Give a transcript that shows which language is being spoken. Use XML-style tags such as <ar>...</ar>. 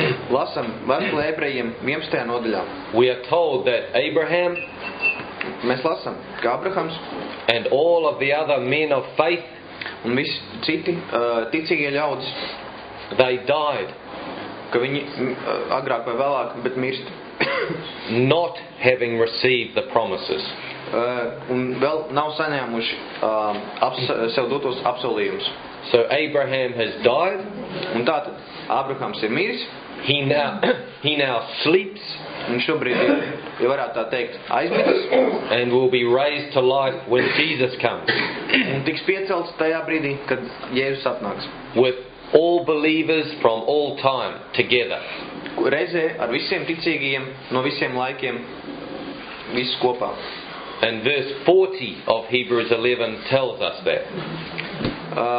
<lv>Lasam vēstulē ebrejiem 11. Nodaļā.</lv> <en>We are told that Abraham,</en> <lv>mēs lasam, ka Abrahams</lv> <en>and all of the other men of faith,</en> <lv>un visi citi ticīgie ļaudis,</lv> <en>they died,</en> <lv>ka viņi agrāk vai vēlāk, bet mirst,</lv> <en>not having received the promises,</en> <lv>un vēl nav saņēmuši sev dotos apsolījumus.</lv> <en>So Abraham has died,</en> <lv>un tātad Abrahams ir miris.</lv> <en>He now sleeps,</en> <lv>un šobrīd ir, varētu tā teikt, aizmirs,</lv> <en>and will be raised to life when Jesus comes.</en> <lv>Un tiks piecelts tajā brīdī, kad Jēzus atnāks.</lv> <en>With all believers from all time together.</en> <lv>Reizē ar visiem ticīgajiem no visiem laikiem visu kopā.</lv> <en>And verse 40 of Hebrews 11 tells us that.</en>